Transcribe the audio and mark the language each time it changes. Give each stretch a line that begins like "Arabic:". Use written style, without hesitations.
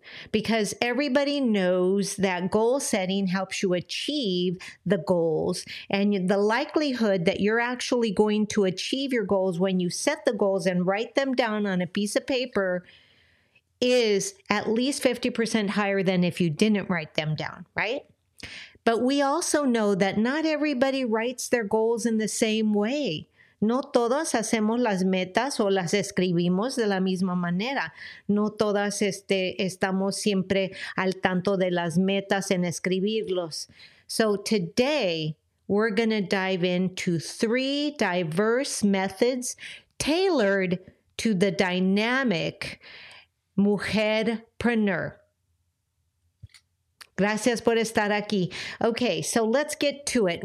English: because everybody knows that goal setting helps you achieve the goals, and the likelihood that you're actually going to achieve your goals when you set the goals and write them down on a piece of paper is at least 50% higher than if you didn't write them down, right? But we also know that not everybody writes their goals in the same way.
Spanish: No todas hacemos las metas o las escribimos de la misma manera. No todas estamos siempre al tanto de las metas en escribirlos.
English: So today, we're going to dive into three diverse methods tailored to the dynamic MujerPreneur.
Spanish: Gracias por estar aquí.
English: Okay, so let's get to it.